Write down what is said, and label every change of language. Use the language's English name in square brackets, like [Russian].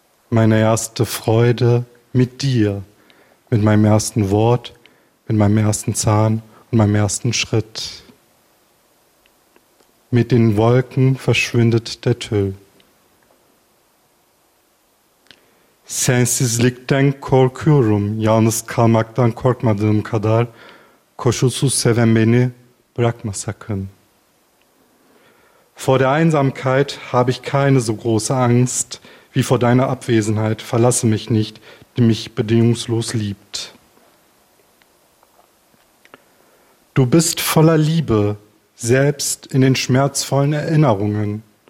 [German] Meine erste Freude mit dir, mit meinem ersten Wort, mit meinem ersten Zahn und meinem ersten Schritt. Mit den Wolken verschwindet der Tüll. [Turkish] Sensiz likten korkuyorum, yalnız kalmaktan korkmadığım kadar, koşulsuz seven beni bırakma sakın. [German] Vor der Einsamkeit habe ich keine so große Angst wie vor deiner Abwesenheit. Verlasse mich nicht, die mich bedingungslos liebt. Du bist voller Liebe, selbst in den schmerzvollen Erinnerungen.